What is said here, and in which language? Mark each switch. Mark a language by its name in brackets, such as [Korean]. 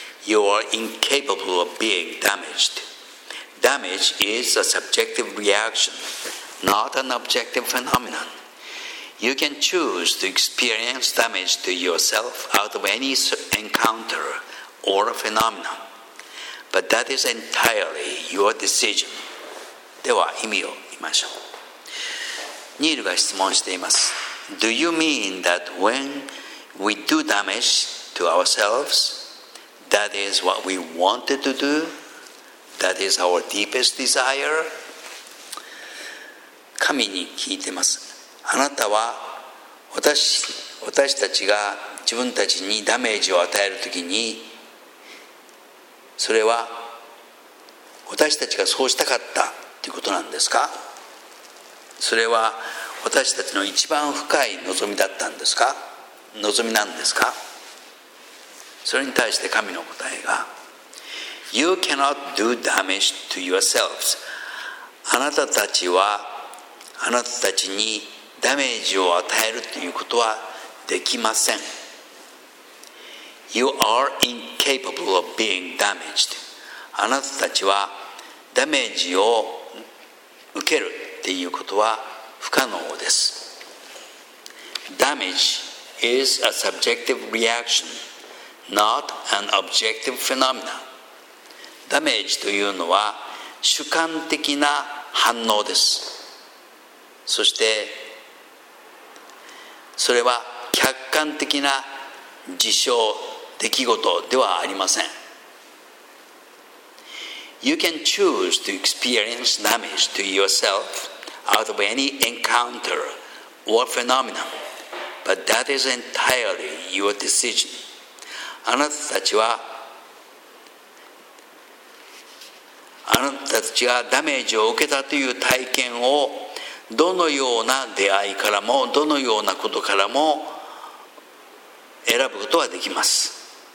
[English] You are incapable of being damaged. Damage is a subjective reaction, not an objective phenomenon. You can choose to experience damage to yourself out of any encounter or phenomenon, but that is entirely your decision. [Japanese] では意味を言いましょう。ニールが質問しています。 [English] Do you mean that when we do damage to ourselves, that is what we wanted to do? That is our deepest desire? [Japanese] 神に聞いています。あなたは私たちが自分たちにダメージを与えるときに、それは私たちがそうしたかったということなんですか？それは私たちの一番深い望みだったんですか？望みなんですか？それに対して神の答えが、 [English] You cannot do damage to yourselves. [Japanese] あなたたちはあなたたちにダメージを与えるということはできません。 [English] You are incapable of being damaged. [Japanese] あなたたちはダメージを受けるっていうことは不可能です。 [English] Damage is a subjective reaction, not an objective phenomenon. [Japanese] ダメージというのは主観的な反応です。そしてそれは客観的な事象、出来事ではありません。 [English] You can choose to experience damage to yourself out of any encounter or phenomenon, but that is entirely your decision. [Japanese] あなたたちはダメージを受けたという体験をどのような出会いからも、どのようなことからも選ぶことはできます。